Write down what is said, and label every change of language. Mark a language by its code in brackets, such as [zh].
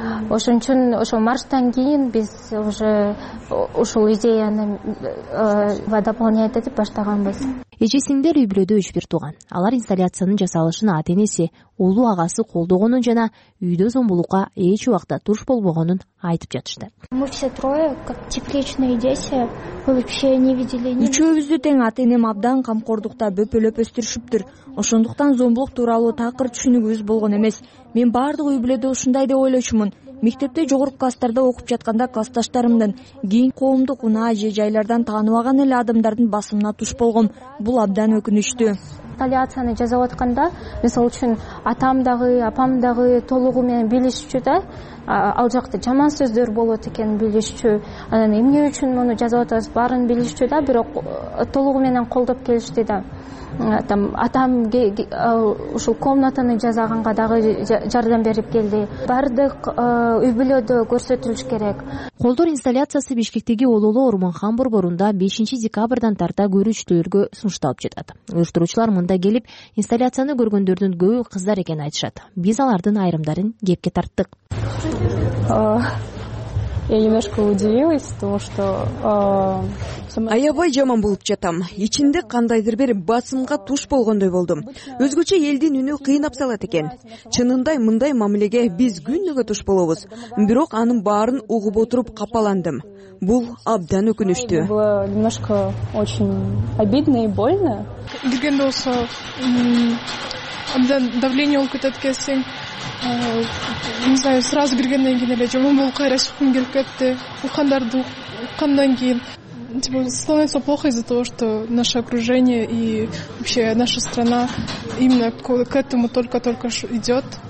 [ky] Ошон үчүн ошо марштан кийин биз уже ушул идеяны дополнять этип баштаганбыз. Эже сиңдилер үй бүлөдө 3-1 тууган. Алар инсталляциянын жасалышын ата энеси, уулу агасы колдогонун жана үйдө зомбулукка эч убакта туш болбогонун айтып жатышты. [ru] Мы все трое, как тепличные дети, вообще не видели ни. [ky] Үчөөбүздү тең ата энем абдан камкордукта бөпөлөп өстүрүшүптүр. Ошондуктан зомбулук тууралуу такыр түшүнүгүбүз болгон эмес. Мен баардык үй бүлөдө ушундай деп ойлочумун. Мектепте жогорку класстарда окуп жатканда классташтарымдын кийин коомдук унаа же жайлардан тааныбаган эле адамдардын басымына туш болгом. Бул абдан өкүнүчтүү. Талиацияны жазап атканда, мисалы үчүн атам дагы, апам дагы толугу менен билишчү да, ал жакта жаман сөздөр болот экенин билишчү. Анан эмне үчүн муну жазып атабыз, баарын билишчү да, бирок толугу менен колдоп келишти да. Там атам ушул комнатаны жасаганга дагы жардам берип келди. Бардык үй бүлөдө көрсөтүлүш керек. Колдор инсталляциясы Бишкектеги Ололо Орманхан борборунда 5 декабрдан тарта көрүүчүлөргө сунушталып жатат. Уюштуруучулар мында келип, инсталляцияны көргөндөрдүн көбү кыздар экенин айтышат. Биз алардын айрымдарын кепке тарттык. [ru] Я немножко удивилась, потому что [ky] аябай жаман болуп жатам. Ичинде кандайдыр бир басымга туш болгондой болдум. Өзгөчө элдин үнү кыйнап салат экен. Чынында мындай мамилеге биз күнүгө туш болобуз. Бирок анын баарын угуп отуруп капаландым. Бул абдан өкүнүчтүү. [ru] Было немножко очень обидно и больно. [ky] Деген болсо, абдан давление болуп кетет экенсиң. [ru] Не знаю, [ky] сразу киргенден кийин эле жаман болуп кайра чыккым келип кетти. Уккандарды уккандан кийин [ru] становится плохо из-за того, что наше окружение и вообще наша страна именно к этому только-только идет.